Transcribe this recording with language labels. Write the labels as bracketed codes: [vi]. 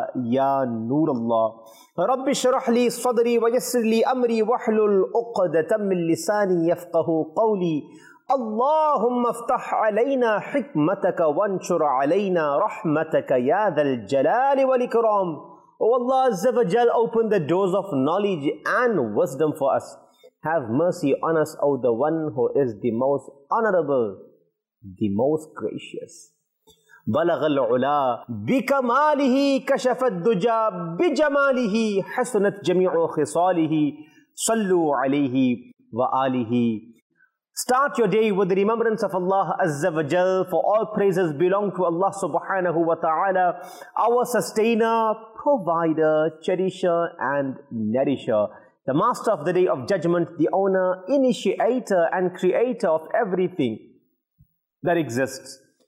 [ar] يا نور الله رب اشرح لي صدري ويسر لي أمري واحلل عقدة من لساني يفقه قولي اللهم افتح علينا حكمتك وانشر علينا رحمتك يا ذا الجلال والإكرام [en] Oh Allah Azza wa Jal, open the doors of knowledge and wisdom for us. Have mercy on us, O the one who is the most honorable, the most gracious. [ar] بلغ العلا بكماله كشف الدجا بجماله حسنت جميع خصاله صلوا عليه وآله. [en] Start your day with the remembrance of Allah Azza wa Jal, for all praises belong to Allah Subhanahu wa Ta'ala, our sustainer, provider, cherisher and nourisher, the master of the day of judgment, the owner, initiator and creator of everything that exists.